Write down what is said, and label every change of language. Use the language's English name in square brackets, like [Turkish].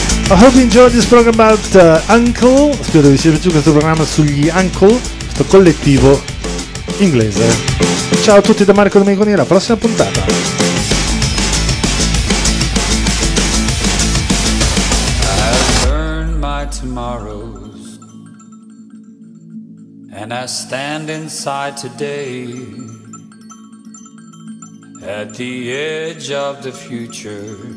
[English] I hope you enjoyed this program about Uncle. [Italian] Spero vi sia piaciuto questo programma sugli Uncle, questo collettivo inglese. Ciao a tutti da Marco Domenconi, alla prossima puntata. [English] I've burned my tomorrows and I stand inside today at the edge of the future.